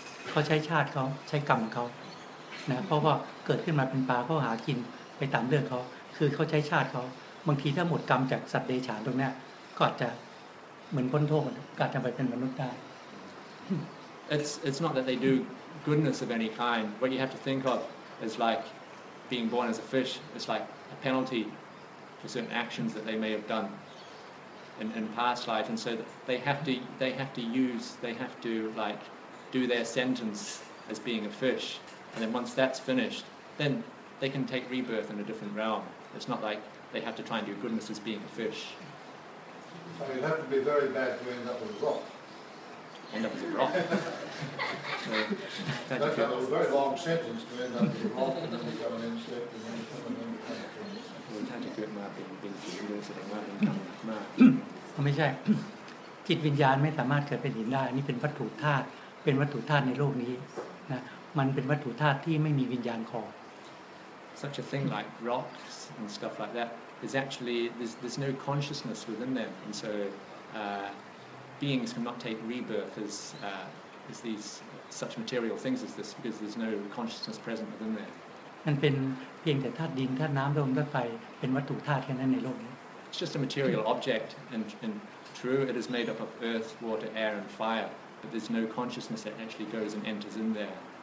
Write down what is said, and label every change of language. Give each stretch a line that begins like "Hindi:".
Thai: เขาใช้ชาติเขาใช้กรรมเขานะเพราะว่าเกิดขึ้นมาเป็นปลาเขาหากินไปตามเรื่องเขาคือเขาใช้ชาติเขาบางทีถ้าหมดกรรมจากสัตว์เดรัจฉานตรงนี้ก็จะเหมือนพ้นโทษการจะไปเป็นมนุษย์ได้
English: It's not that they do goodness of any kind. What you have to think of is like being born as a fish. It's likePenalty for certain actions that they may have done in past life, and so they have to like do their sentence as being a fish, and then once that's finished, then they can take rebirth in a different realm. It's not like they have to try and do goodness as being a fish. So you'd have to be very bad to end up as a rock. End up as a rock. That's a very long sentence to end up as a rock and then become an insect and then become another kind of thing. Well, that's a good map.
Thai: เขาไม่ใช่จิตวิญญาณไม่สามารถเกิดเป็นหินได้นี่เป็นวัตถุธาตุเป็นวัตถุธาตุในโลกนี้นะมันเป็นวัตถุธาตุที่ไม่มีวิญญาณคอย
English: such a thing like rocks and stuff like that is actually there's no consciousness within them and so beings cannot take rebirth as these such material things as this because there's no consciousness present within them
Thai: มันเป็นเพียงแต่ธาตุดินธาตุน้ำลมธาตุไฟเป็นวัตถุธาตุแค่นั้นในโลกนี้
English: It's just a material object, and true, it is made up of earth, water, air, and fire. But there's no consciousness that actually goes and enters in there.